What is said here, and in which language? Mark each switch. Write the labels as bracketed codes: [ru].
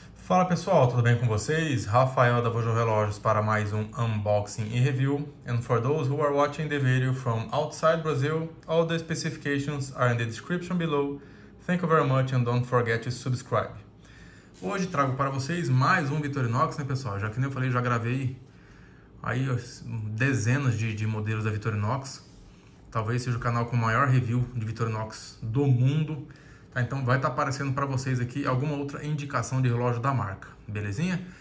[pt] Fala pessoal, tudo bem com vocês? Rafael da Vojo Relógios para mais um unboxing e review. [en] And for those who are watching the video from outside Brazil, all the specifications are in the description below. Thank you very much and don't forget to subscribe. [pt] Hoje trago para vocês mais um Victorinox, né pessoal? Já que nem eu falei, já gravei aí dezenas de modelos da Victorinox. Talvez seja o canal com o maior review de Victorinox do mundo. Tá, então vai estar aparecendo para vocês aqui alguma outra indicação de relógio da marca, belezinha?